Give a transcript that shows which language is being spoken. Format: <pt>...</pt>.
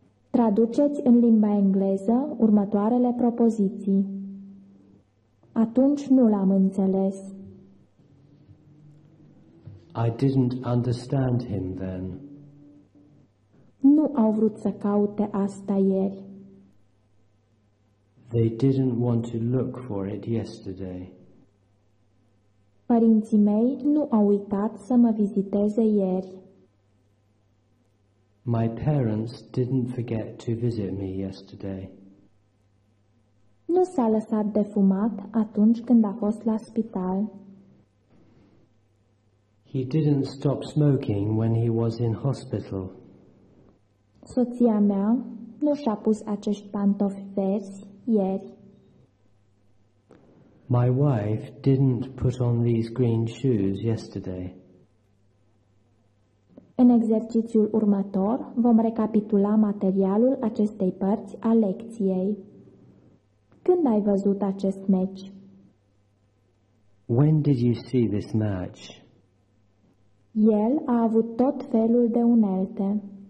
<ro>Traduceți în limba engleză următoarele propoziții. Atunci nu l-am înțeles.</ro> <en>I didn't understand him then.</en> <ro>Nu au vrut să caute asta ieri.</ro> <en>They didn't want to look for it yesterday.</en> <ro>Părinții mei nu au uitat să mă viziteze ieri.</ro> <en>My parents didn't forget to visit me yesterday.</en> <ro>Nu s-a lăsat de fumat atunci când a fost la spital.</ro> <en>He didn't stop smoking when he was in hospital.</en> <ro>Soția mea nu și-a pus acești pantofi verzi ieri.</ro> <en>My wife didn't put on these green shoes yesterday.</en> <ro>În exercițiul următor vom recapitula materialul acestei părți a lecției. Când ai văzut acest meci?</ro> <en>When did you see this match?</en> <ro>El a avut tot felul de unelte.</ro>